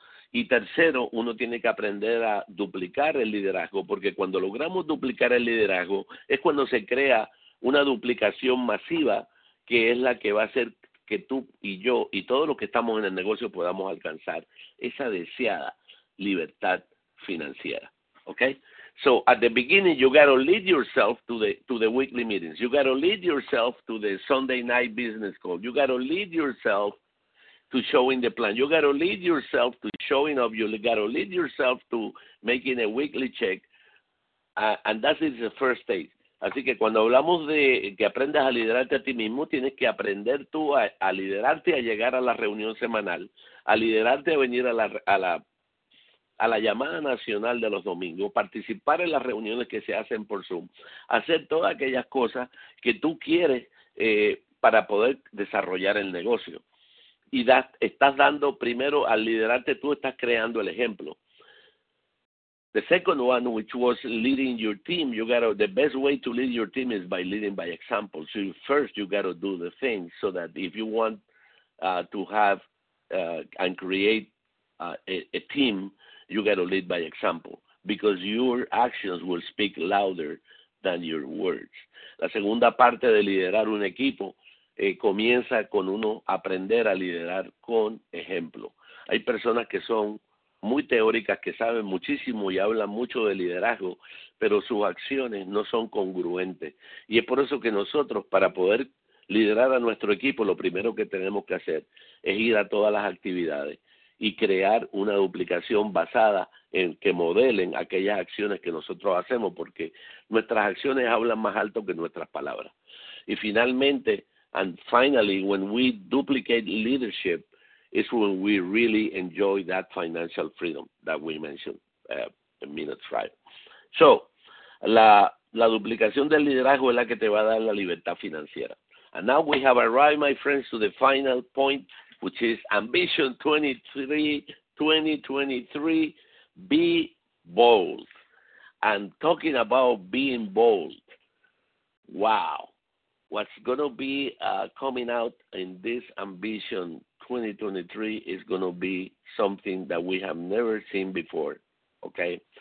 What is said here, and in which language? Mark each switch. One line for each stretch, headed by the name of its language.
Spanish: Y tercero, uno tiene que aprender a duplicar el liderazgo, porque cuando logramos duplicar el liderazgo es cuando se crea una duplicación masiva, que es la que va a hacer que tú y yo y todos los que estamos en el negocio podamos alcanzar esa deseada libertad financiera.
English: Okay? So at the beginning, you got to lead yourself to the weekly meetings. You got to lead yourself to the Sunday night business call. You got to lead yourself to showing the plan. You got to lead yourself to showing up. You got to lead yourself to making a weekly check. And that is the first stage.
Spanish: Así que cuando hablamos de que aprendas a liderarte a ti mismo, tienes que aprender tú a liderarte, a llegar a la reunión semanal, a liderarte a venir a la llamada nacional de los domingos, participar en las reuniones que se hacen por Zoom, hacer todas aquellas cosas que tú quieres para poder desarrollar el negocio. Y estás dando primero al liderarte, tú estás creando el ejemplo.
English: The second one, which was leading your team, the best way to lead your team is by leading by example. So first you got to do the thing, so that if you want to have and create a team, you got to lead by example, because your actions will speak louder than your words.
Spanish: La segunda parte de liderar un equipo comienza con uno aprender a liderar con ejemplo. Hay personas que son muy teóricas, que saben muchísimo y hablan mucho de liderazgo, pero sus acciones no son congruentes. Y es por eso que nosotros, para poder liderar a nuestro equipo, lo primero que tenemos que hacer es ir a todas las actividades y crear una duplicación basada en que modelen aquellas acciones que nosotros hacemos, porque nuestras acciones hablan más alto que nuestras palabras. Y finalmente,
English: and finally, when we duplicate leadership, is when we really enjoy that financial freedom that we mentioned a minute prior.
Spanish: So, la duplicación del liderazgo es la que te va a dar la libertad financiera.
English: And now we have arrived, my friends, to the final point, which is Ambition 23 2023, be bold. And talking about being bold, wow, what's going to be coming out in this Ambition 2023 is going to be something that we have never seen before, okay?